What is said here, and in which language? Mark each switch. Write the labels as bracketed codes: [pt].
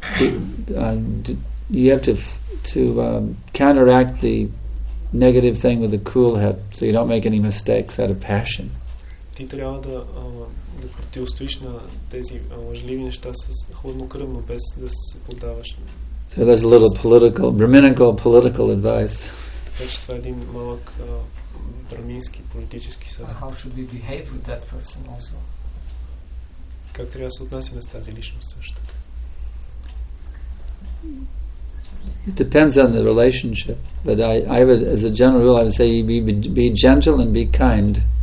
[en] You have to counteract the negative thing with a cool head so you don't make any mistakes out of passion. [bg] Ти трябва да противостоиш на тези лъжливи неща с хладнокръвно, без да се поддаваш. [en] So that's a little brahminical political advice. [bg] Това е един малък брамински политически съвет. [en] How should we behave with that person also? [bg] Как трябва да се отнасяме с тази личност също? [en] It depends on the relationship, but I would, as a general rule, I would say be gentle and be kind.